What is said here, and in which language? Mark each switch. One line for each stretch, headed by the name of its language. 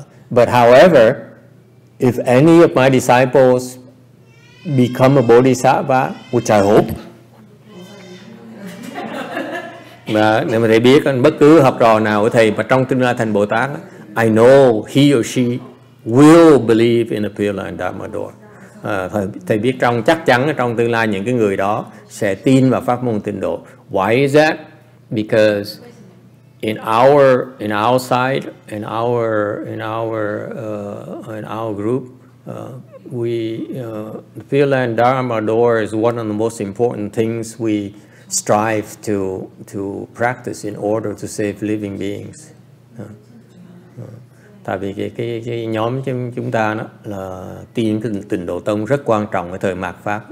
English: But however, if any of my disciples become a Bodhisattva, which I hope,
Vietnamese: mà nếu mà thầy biết bất cứ học trò nào của thầy mà trong tương lai thành Bồ Tát,
English: I know he or she will believe in the Pure Land Dharma Door.
Vietnamese: Thầy biết trong chắc chắn trong tương lai những cái người đó sẽ tin vào pháp môn tịnh độ.
English: Why is that? Because in our group, the Pure Land Dharma Door is one of the most important things we strive to practice in order to save living beings.
Vietnamese: Tại vì cái nhóm chúng ta đó là tin tịnh độ tông rất quan trọng ở thời mạt pháp.